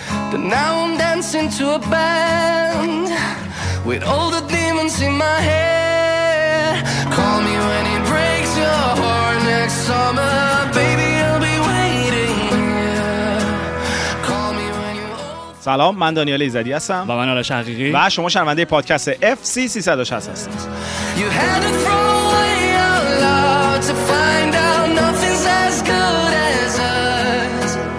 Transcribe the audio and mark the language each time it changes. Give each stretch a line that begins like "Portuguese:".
English: But now I'm dancing to a band with all the demons in my head. Call me when it breaks your heart next summer. Baby, I'll be waiting, yeah. Call me when you're...
Persian: سلام، من دانیال ایزدی هستم و من آرش حقیقی و شما شنونده پادکست FC360 هستید.
English: You had to throw away your love to find out nothing's as good as us.